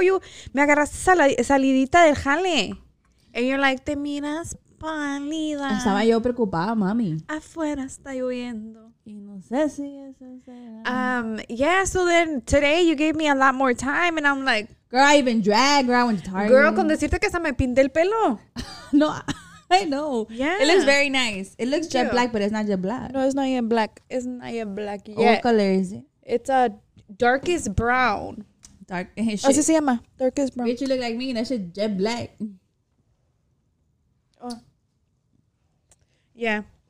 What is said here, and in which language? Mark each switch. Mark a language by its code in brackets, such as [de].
[es] You me agarraste salidita del jale. [en] And you're like, [es] te miras pálida. Estaba yo preocupada, mami. Afuera está lloviendo. Y no sé si eso será. [en] Yeah, so then today you gave me a lot more time, and I'm like. Girl, I even dragged. Girl, I went to Target. [es] Girl, con decirte que hasta me pinté el pelo. [en] No, I know. Yeah. It looks very nice. It looks jet black, but it's not jet black. No, it's not yet black. It's not yet black yet. What color is it? It's a darkest brown. Dark. [es] Oh, se llama. [en] Darkest brown. Bitch, you look like me. That shit jet black. Oh. Yeah.